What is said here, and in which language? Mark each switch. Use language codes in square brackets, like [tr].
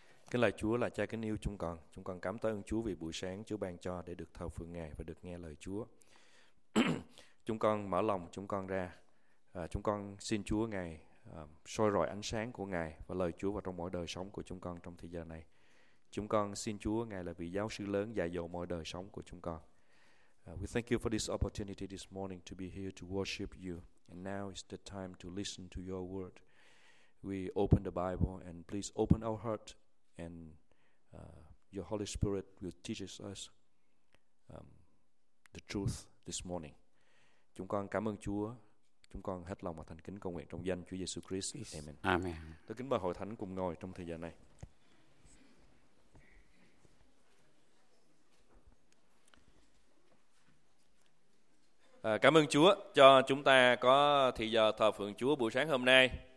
[vi] Kính lạy Chúa là Cha kính yêu chúng con. Chúng con cảm tạ ơn Chúa vì buổi sáng Chúa ban cho để được thờ phượng Ngài và được nghe lời Chúa. Chúng con mở lòng chúng con ra. Chúng con xin Chúa Ngài soi rọi ánh sáng của Ngài và lời Chúa vào trong mỗi đời sống của chúng con trong thời giờ này. Chúng con xin Chúa Ngài là vị giáo sư lớn dạy dỗ mỗi đời sống của chúng con. [en] We thank you for this opportunity this morning to be here to worship you. And now is the time to listen to your word. We open the Bible and please open our heart and your Holy Spirit will teach us the truth this morning. [vi] Chúng con cảm ơn Chúa. Chúng con hết lòng và thành kính cầu nguyện trong danh Chúa Giêsu Christ. Amen. Amen. Tôi kính mời hội thánh cùng ngồi trong thời giờ này. Cảm ơn Chúa cho chúng ta có thời giờ thờ phượng Chúa buổi sáng hôm nay.